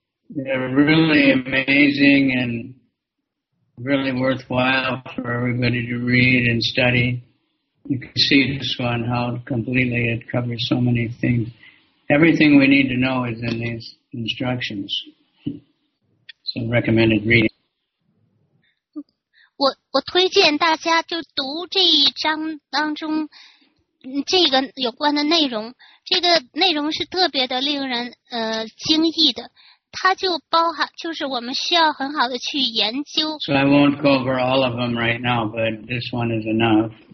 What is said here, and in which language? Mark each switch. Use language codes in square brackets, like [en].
[en] They're really amazing and really worthwhile for everybody to read and study. You can see this one, how completely it covers so many things. Everything we need to know is in these instructions. So recommended reading. [zh] 我推荐大家就读这一章当中这个有关的内容。这个内容是特别的令人惊异的。它就包含，就是我们需要很好的去研究。 [en] So I won't go over all of them right now, but this one is enough.